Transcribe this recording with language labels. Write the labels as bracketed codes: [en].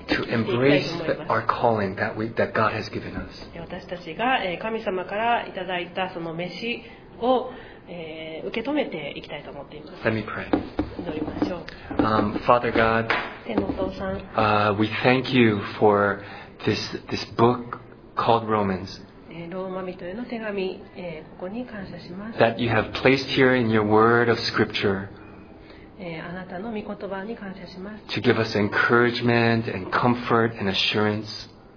[en] To embrace our calling that God has given us. [ja] 私たちが、神様からいただいたその召しを受け止めていきたいと思っています。 [en] Let me pray. [ja] 祈りましょう。 [en] Father God, [ja] 天のお父さん、 [en] we thank you for this book called Romans. [ja] ローマ人への手紙、ここに感謝します。 [en] That you have placed here in your word of scripture. [ja] あなたの御言葉に感謝します。 [en] To give us encouragement and comfort and assurance.